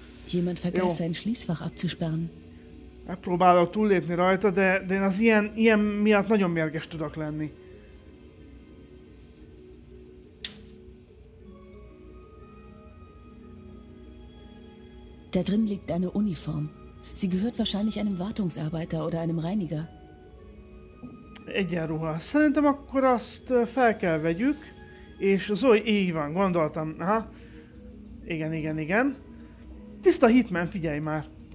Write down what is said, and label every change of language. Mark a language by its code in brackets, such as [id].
[de] Jemand vergaß sein Schließfach abzusperren. [hu] Megpróbálok túllépni rajta, de én az ilyen miatt nagyon mérges tudok lenni. [de] Da drin liegt eine Uniform. Sie gehört wahrscheinlich einem Wartungsarbeiter oder einem Reiniger. [hu] Egyenruha. Szerintem akkor azt fel kell vegyük, és az oly így van, gondoltam. Aha. Igen. Tiszta Hitman, figyelj már!